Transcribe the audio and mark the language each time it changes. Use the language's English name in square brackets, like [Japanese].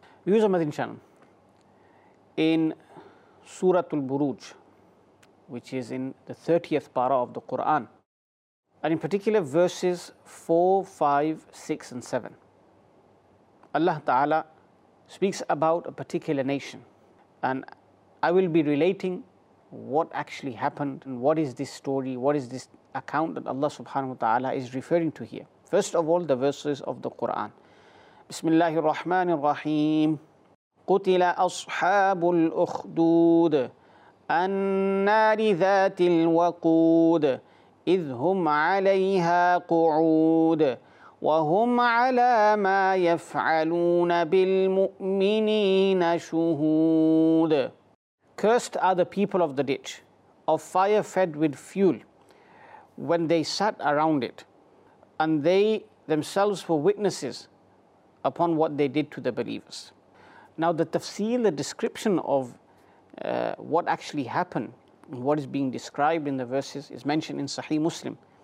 [English] Views of Madin Channel, in Suratul Buruj, which is in the 30th para of the Quran, and in particular verses 4, 5, 6, and 7, Allah Ta'ala speaks about a particular nation. And I will be relating what actually happened and what is this story, what is this account that Allah Subhanahu wa Ta'ala is referring to here. First of all, the verses of the Quran. [Arabic] بسم الله الرحمن الرحيم قتل أصحاب الأخدود النار ذات الوقود إذ هم عليها قعود وهم على ما يفعلون بالمؤمنين شهود. [English] Cursed are the people of the ditch, of fire fed with fuel, when they sat around it, and they themselves were witnesses upon what they did to the believers. Now the tafsir, the description of what actually happened, what is being described in the verses, is mentioned in Sahih Muslim.